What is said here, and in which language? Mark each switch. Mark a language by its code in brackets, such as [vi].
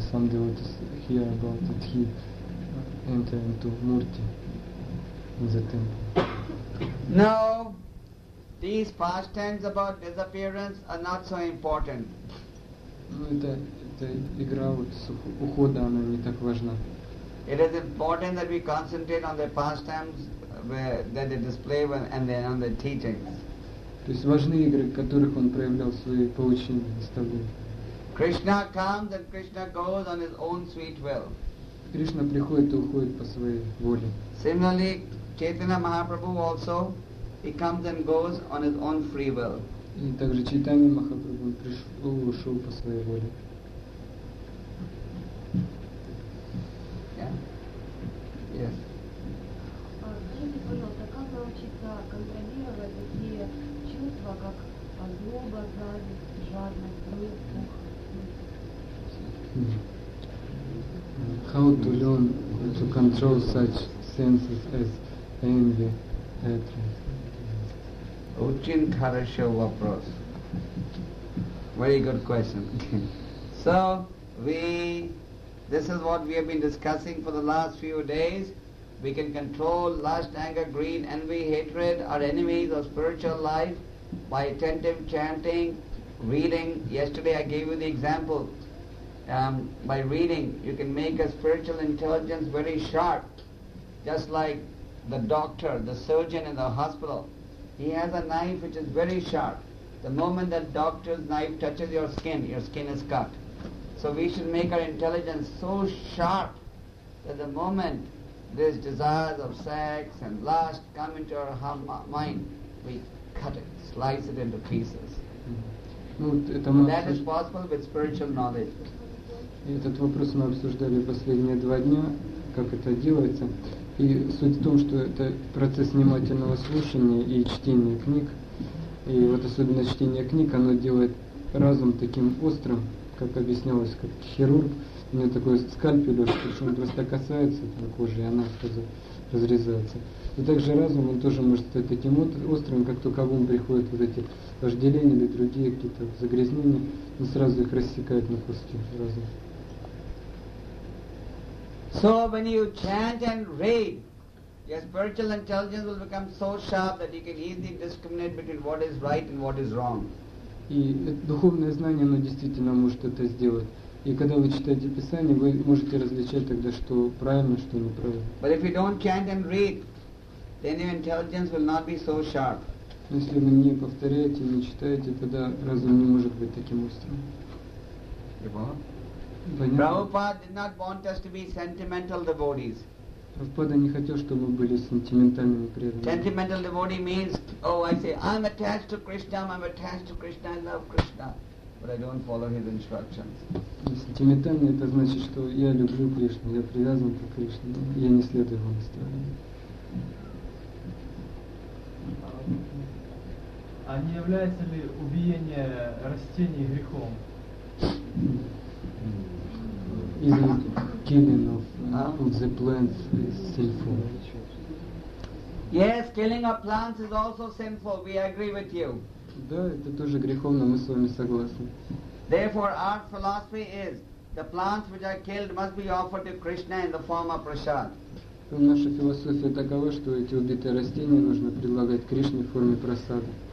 [en] Some devotees hear about that he entered into Murti in the temple. No, these past tense about disappearance are not so important. [ru] Это игра вот с ухода, она не так важна. [en] It is important that we concentrate on the past tense that they display and then on the teachings. [ru] То есть важны игры, в которых он проявлял свои поучения, наставления. [en] Krishna comes and Krishna goes on his own sweet will. [ru] Кришна приходит и уходит по своей воле. [en] Similarly, Chaitanya Mahaprabhu also, he comes and goes on his own free will. [ru] И также Чайтанья Махапрабху пришел и ушел по своей воле. [en] Yeah. Yes. [ru] научиться контролировать такие чувства, как злоба, зависть, жадность, гнев. [en] How to learn to control such senses as envy, hatred? [ru] Очень хороший вопрос. [en] Very good question. So, this is what we have been discussing for the last few days. We can control lust, anger, greed, envy, hatred, our enemies, our spiritual life by attentive chanting, reading. Yesterday I gave you the example. By reading, you can make a spiritual intelligence very sharp, just like the doctor, the surgeon in the hospital. He has a knife which is very sharp. The moment that doctor's knife touches your skin is cut. So we should make our intelligence so sharp that the moment these desires of sex and lust come into our mind, we cut it, slice it into pieces. That is possible with spiritual knowledge. [ru] И этот вопрос мы обсуждали последние два дня, как это делается. И суть в том, что это процесс внимательного слушания и чтения книг. И вот особенно чтение книг, оно делает разум таким острым, как объяснялось, как хирург. У него такой скальпель, что он просто касается кожи, и она сразу разрезается. И также разум, он тоже может стать таким острым, как только в ум приходят вот эти вожделения или другие какие-то загрязнения, он сразу их рассекает на куски разум. [en] So when you chant and read, your spiritual intelligence will become so sharp that you can easily discriminate between what is right and what is wrong. [ru] И духовное знание, оно действительно может это сделать. И когда вы читаете Писание, вы можете различать тогда, что правильно, что неправильно. [en] But if you don't chant and read, then your intelligence will not be so sharp. [ru] Если вы не повторяете, не читаете, тогда разум не может быть таким острым. Понятно. [en] Prabhupada did not want us to be sentimental devotees. [ru] Prabhupada не хотел, чтобы мы были сентиментальными преданными. [en] Sentimental devotee means, I'm attached to Krishna, I love Krishna, but I don't follow his instructions. [ru] Сентиментальный это значит, что я люблю Кришну, я привязан к Кришне, я не следую его наставлениям. А не является ли убиение растений грехом? [en] Is it killing of the plants is sinful? Yes, killing of plants is also sinful. We agree with you. [ru] Да, это тоже греховно, мы с вами согласны. [en] Therefore, our philosophy is the plants which are killed must be offered to Krishna in the form of prasad. [ru] Наша философия такова, что эти убитые растения нужно предлагать Кришне в форме прасада.